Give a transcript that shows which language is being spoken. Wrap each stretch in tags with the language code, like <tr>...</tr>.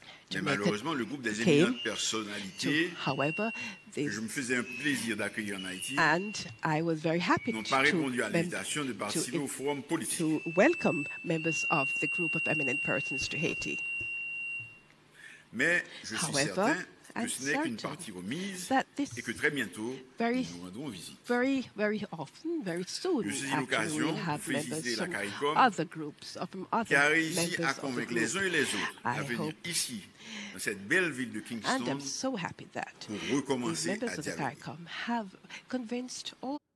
<fr>je me faisais un plaisir d'accueillir en Haïti.</fr> <en>And I was very happy to welcome members of the group of eminent persons to Haiti.</en> <fr>Mais je suis certain que ce n'est qu'une partie remise et que très bientôt, nous nous rendrons visite.</fr> <en>Very, very often, very soon,</en> <fr>je saisis l'occasion pour féliciter la CARICOM qui a réussi à convaincre les uns et les autres à venir ici, dans cette belle ville de Kingston, pour recommencer à dialoguer.</fr>